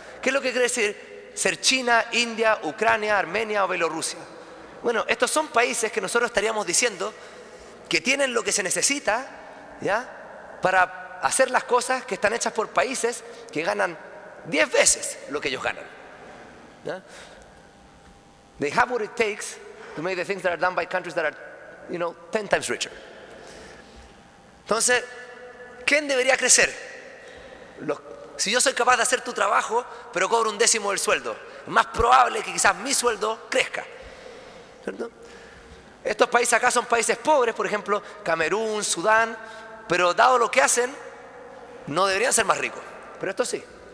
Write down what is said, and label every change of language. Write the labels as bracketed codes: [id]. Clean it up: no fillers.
[es] ¿Qué es lo que quiere decir ser China, India, Ucrania, Armenia o Bielorrusia? Bueno, estos son países que nosotros estaríamos diciendo que tienen lo que se necesita, ¿ya? Para hacer las cosas que están hechas por países que ganan 10 veces lo que ellos ganan. ¿Ya? [en] They have what it takes to make the things that are done by countries that are, you know, 10 times richer. [es] Entonces, ¿quién debería crecer? Si yo soy capaz de hacer tu trabajo, pero cobro un décimo del sueldo, es más probable que quizás mi sueldo crezca. ¿Cierto? Estos países acá son países pobres, por ejemplo, Camerún, Sudán, pero dado lo que hacen, no deberían ser más ricos. Pero estos sí.